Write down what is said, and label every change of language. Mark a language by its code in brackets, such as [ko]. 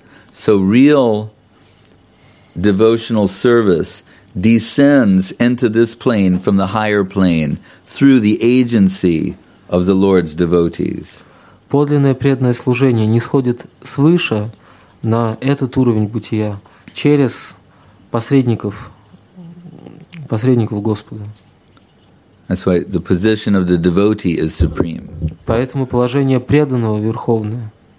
[en] So real devotional service descends into this plane from the higher plane through the agency of the Lord's devotees. [ru] Подлинное преданное служение нисходит свыше на этот уровень бытия через посредников Господа. [en] That's why the position of the devotee is supreme. [ru] Поэтому положение преданного верховное.